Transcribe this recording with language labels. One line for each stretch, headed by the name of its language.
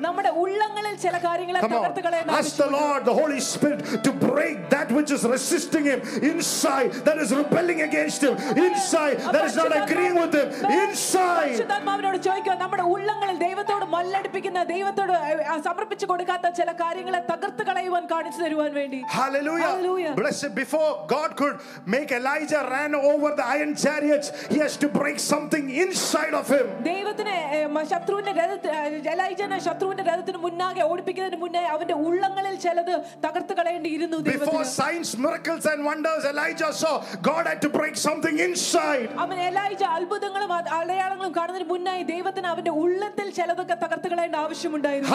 Malayalam: നമ്മുടെ ഉള്ളങ്ങളിൽ ചില കാര്യങ്ങളെ തകർത്തുകളയാൻ ആവശ്യം.
English: Ask the Lord, the Holy Spirit, to break that which is resisting him inside, that is rebelling against him inside, that is not agreeing with him inside.
Malayalam: ശുദ്ധാത്മാവിനോട് ചോദിക്കുക, നമ്മുടെ ഉള്ളങ്ങളിൽ ദൈവത്തോട് മല്ലടിപ്പിക്കുന്ന, ദൈവത്തോട് സമർപ്പിച്ചു കൊടുക്കാത്ത ചില കാര്യങ്ങളെ തകർത്തുകളയുവാൻ കാണിച്ചു തരുവാൻ വേണ്ടി.
English: Hallelujah. Hallelujah. Blessed before God could make Elijah ran over the iron chariots, he has to break something inside of him.
Malayalam: ദൈവത്തിനെ ശത്രുവിനെ എലൈജനെ ശത്രുവിന്റെ രഥത്തിന് മുന്നാകെ ഓടിപ്പിക്കുന്നതിന് മുന്നേ അവന്റെ ഉള്ളങ്ങളിൽ ചിലത് തകർത്തു കളയേണ്ടിയിരുന്നു.
English: Before signs, miracles and wonders Elijah saw, God had to break something inside.
Malayalam: അവൻ Elijah അത്ഭുതങ്ങളും അടയാളങ്ങളും കാണുന്നതിന് മുന്നേ ദൈവത്തിന് അവന്റെ ഉള്ളത്തിൽ ചിലതൊക്കെ തകർത്തു കളയേണ്ട ആവശ്യമുണ്ടായിരുന്നു.